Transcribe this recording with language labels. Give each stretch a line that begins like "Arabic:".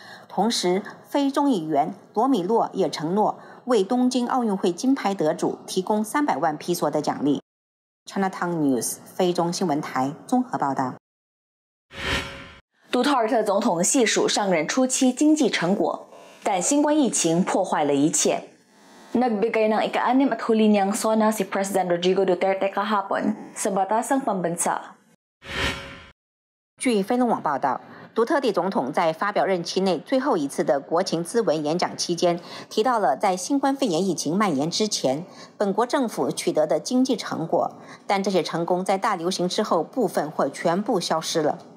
Chinese: 同时，非众议员罗米洛也承诺为东京奥运会金牌得主提供300万披索的奖励。 Chinatown News 菲中新闻台综合报道。杜特尔特总统细数上任初期经济成果，但新冠疫情破坏了一切。
Filipino: Nagbigay ng ika-anim at huli niyang sona si President Rodrigo Duterte kahapon sa batasang pambansa.
Chinese: 据菲龙网报道，杜特地总统在发表任期内最后一次的国情咨文演讲期间，提到了在新冠肺炎疫情蔓延之前，本国政府取得的经济成果，但这些成功在大流行之后部分或全部消失了。